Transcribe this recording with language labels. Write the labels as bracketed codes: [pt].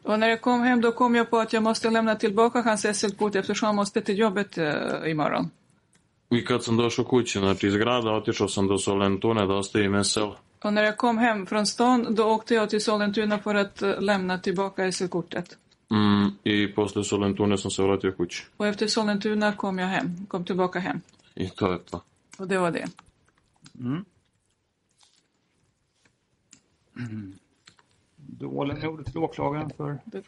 [sv] Och när jag kom hem, då kom jag på att jag måste lämna tillbaka hans SL kut, eftersom han måste till jobbet imorgon. [sr] I kad sam došao kući, znači iz grada, otišao sam do Solentune da ostavim SL. [sv] Och när jag kom hem från stan, då åkte jag till Solentuna för att lämna tillbaka SL-kortet. [sr] Mm, i posle Solentune sam se vratio kući. [sv] Och efter Solentuna kom jag hem, kom tillbaka hem. [sr] I to je to. [sv] Och det var det. Du håller med ordet till åklagaren för...